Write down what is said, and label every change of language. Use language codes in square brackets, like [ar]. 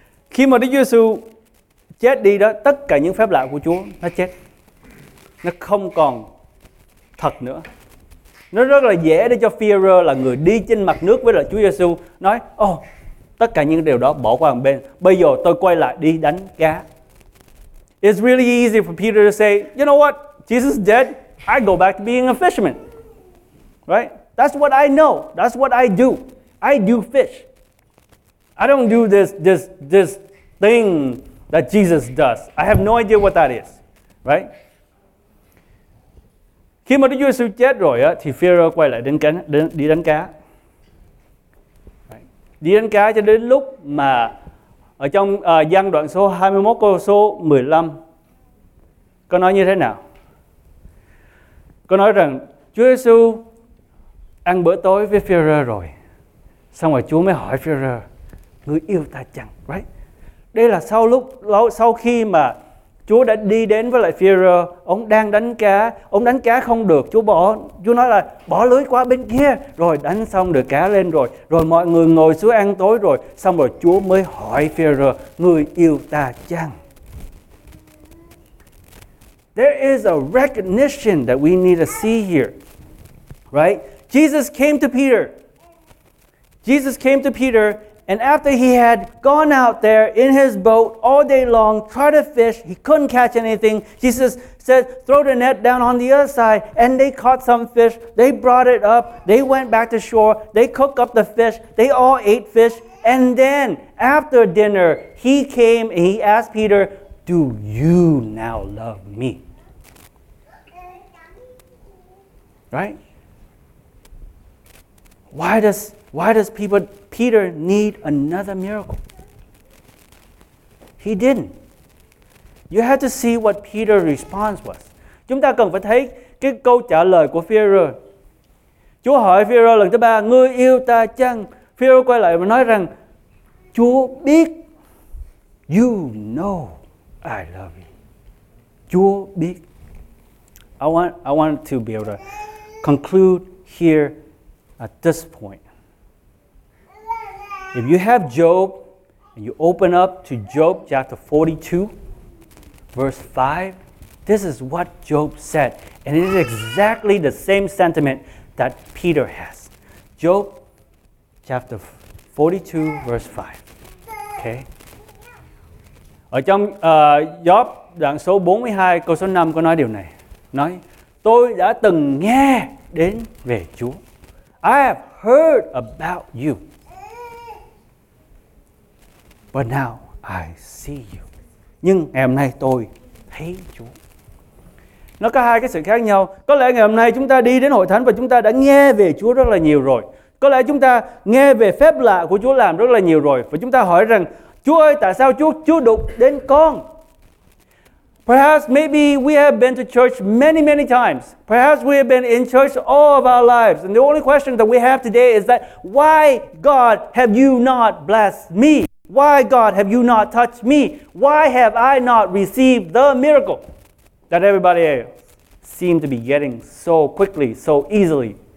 [vi] Khi mà Đức Giê-xu chết đi đó, tất cả những phép lạ của Chúa nó chết, nó không còn thật nữa. Nó rất là dễ để cho Phi-e-rơ là người đi trên mặt nước với lại Chúa Giê-xu nói, tất cả những điều đó bỏ qua một bên. Bây giờ tôi quay lại đi đánh cá. [en] It's really easy for Peter to say, you know what? Jesus is dead. I go back to being a fisherman. Right? That's what I know. That's what I do. I do fish. I don't do this thing that Jesus does. I have no idea what that is. Right? [vi] Khi mà Đức Giê-xu chết rồi á, thì Phi-e-rơ quay lại đi đánh cá. Đi đánh cá cho đến lúc mà ở trong gian đoạn số 21 câu số 15 có nói như thế nào? Có nói rằng Chúa Giê-xu ăn bữa tối với Phi-e-rơ rồi, xong rồi Chúa mới hỏi Phi-e-rơ, ngươi yêu ta chăng? [en] Right? [vi] Đây là sau khi mà Chúa đã đi đến với lại Phi-e-rơ, ông đang đánh cá, ông đánh cá không được, Chúa nói là bỏ lưới qua bên kia, rồi đánh xong được cá lên rồi, rồi mọi người ngồi xuống ăn tối rồi, xong rồi Chúa mới hỏi Phi-e-rơ, ngươi yêu ta chăng? [en] There is a recognition that we need to see here, right? Jesus came to Peter. Jesus came to Peter, and after he had gone out there in his boat all day long, tried to fish, he couldn't catch anything. Jesus said, throw the net down on the other side, and they caught some fish. They brought it up. They went back to shore. They cooked up the fish. They all ate fish. And then after dinner, he came and he asked Peter, do you now love me? Right? Why does Peter need another miracle? He didn't. You have to see what Peter's response was. [vi] Chúng ta cần phải thấy cái câu trả lời của Phi-e-rơ. Chúa hỏi Phi-e-rơ lần thứ ba, ngươi yêu ta chăng? Phi-e-rơ quay lại và nói rằng, Chúa biết. [en] You know I love you. [vi] Chúa biết. [en] I want to be able to conclude here. At this point, if you have Job and you open up to Job chapter 42, verse 5, this is what Job said. And it is exactly the same sentiment that Peter has. Job chapter 42, verse 5. Okay? [vi] Ở trong Job đoạn số 42, câu số 5 có nói điều này. Nói, tôi đã từng nghe đến về Chúa. [en] I have heard about you, but now I see you. [vi] Nhưng ngày hôm nay tôi thấy Chúa. Nó có hai cái sự khác nhau. Có lẽ ngày hôm nay chúng ta đi đến hội thánh và chúng ta đã nghe về Chúa rất là nhiều rồi. Có lẽ chúng ta nghe về phép lạ của Chúa làm rất là nhiều rồi. Và chúng ta hỏi rằng, Chúa ơi, tại sao Chúa đụng đến con? [en] Perhaps maybe we have been to church many, many times. Perhaps we have been in church all of our lives. And the only question that we have today is that, why God have you not blessed me? Why God have you not touched me? Why have I not received the miracle that everybody seems to be getting so quickly, so easily?